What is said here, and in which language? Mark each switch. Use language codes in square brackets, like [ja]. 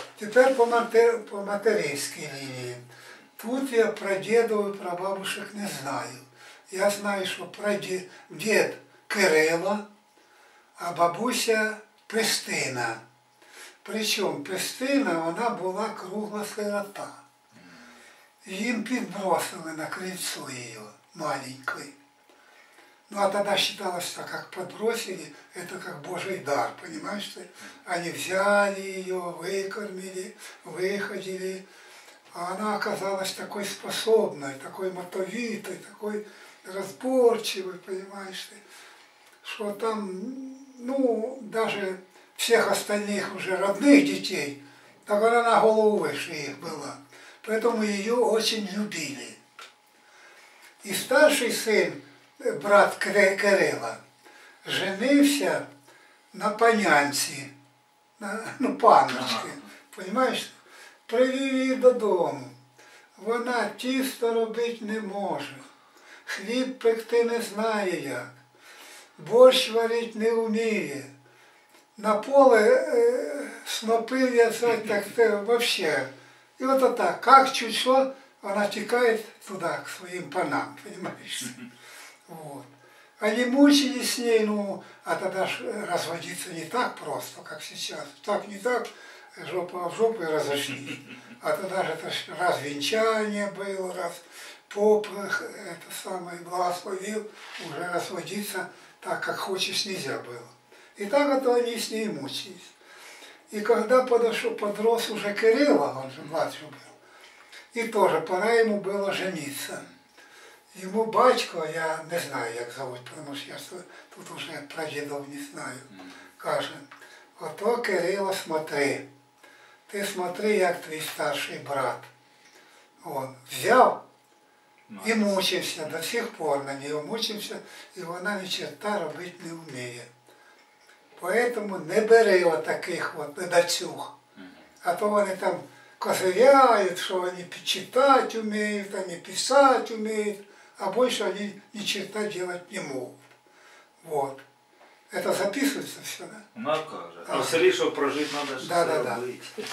[ru] Теперь по материнской линии. Тут я про дедов и про бабушек не знаю. Я знаю, что дед Кирилла, а бабуся Пристина. Причем Пристина, она была круглая сирота. [uk] Їм підбросили на крильцо її, маленькою. Ну, а тоді вважалося так, як підбросили, це як Божий дар, розумієш? Вони взяли її, викормили, виходили. А вона оказалась такою способною, такою мотовитою, такою розборчивою, розумієш? Що там, ну, навіть всіх остальних вже родних дітей, так вона на голову вище їх була. [ru] Поэтому ее очень любили. И старший сын, брат Кирилла, женился на панянце, на панночке, понимаешь? Привели ее до дому. [uk] Вона тісто робить не може, хліб пекти не знає як, борщ варить не вміє. На поле снопи я сказать, так це вообще. І от так, як чуть що, вона тікає туди, к своїм панам, понимаєш? [ru] Вот. Они мучились с ней, ну, а тогда ж разводиться не так просто, как сейчас. Так, не так, жопа в жопу и разошли. А тогда же это ж раз венчание было, раз поп это самое благословил, уже разводиться так, как хочешь, нельзя было. И так вот они с ней мучились. И когда подошел, подрос уже Кирилла, он же младший был, и тоже пора ему было жениться. [uk] Йому батько, я не знаю, як зовуть, тому що я тут уже прадідов не знаю, каже, ото Кирило, [ru] смотри, [uk] ти смотри, як твій старший брат. Он взяв і мучився, до сих пор на нього мучився, і вона ні черта робити не вміє. [ru] Поэтому не бери [uk] отаких от недоцюг, а то вони там козиряють, що вони читати вміють, а не писати вміють. [ru] А больше они ни черта делать не могут. Вот. Это записывается все, да? Ну как же. А Сергей, чтобы прожить, надо же быть.